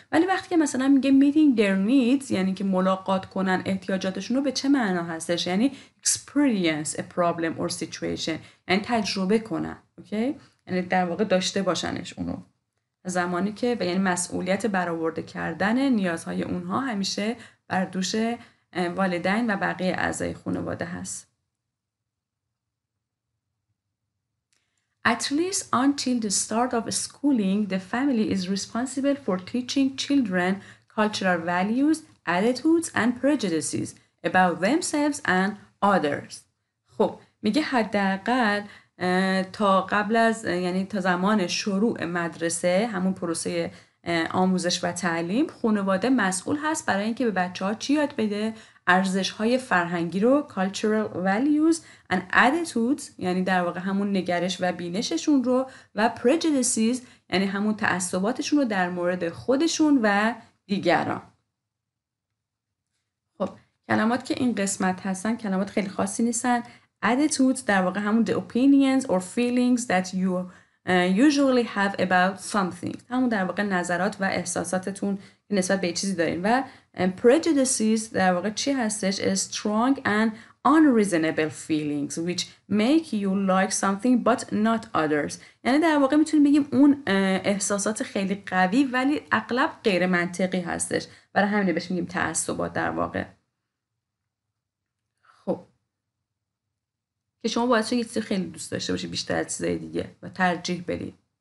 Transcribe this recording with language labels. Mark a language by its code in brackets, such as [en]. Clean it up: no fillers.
[fa] ولی وقتی که مثلا میگه [en] meeting their needs [fa] یعنی که ملاقات کنن احتیاجاتشون رو، به چه معنا هستش؟ یعنی [en] experience a problem or situation، [fa] یعنی تجربه کنن. اوکی؟ یعنی در واقع داشته باشنش اونو زمانی که، یعنی مسئولیت برآورده کردن نیازهای اونها همیشه بر دوش والدین و بقیه اعضای خانواده هست. [en] At least until the start of schooling, the family is responsible for teaching children cultural values, attitudes, and prejudices about themselves and others. [fa] خب میگه حداقل تا قبل از، یعنی تا زمان شروع مدرسه، همون پروسه آموزش و تعلیم، خانواده مسئول هست برای اینکه به بچه‌ها چی یاد بده؟ ارزش‌های فرهنگی رو، [en] cultural values and attitudes [fa] یعنی در واقع همون نگرش و بینششون رو، و prejudices یعنی همون تعصباتشون رو در مورد خودشون و دیگران. خب کلمات که این قسمت هستن کلمات خیلی خاصی نیستن. Attitudes در واقع همون [en] the opinions or feelings that you usually have about something. [fa] همون در واقع نظرات و احساساتتون نسبت به چیزی دارین. و prejudices در واقع چی هستش؟ [en] is strong and unreasonable feelings which make you like something but not others. [fa] یعنی در واقع میتونیم بگیم اون احساسات خیلی قوی ولی اغلب غیر منطقی هستش. برای همینه بهش میگیم تعصبات در واقع. که شما باید چه چیزی خیلی دوست داشته باشی بیشتر از چیزای دیگه و ترجیح بدی.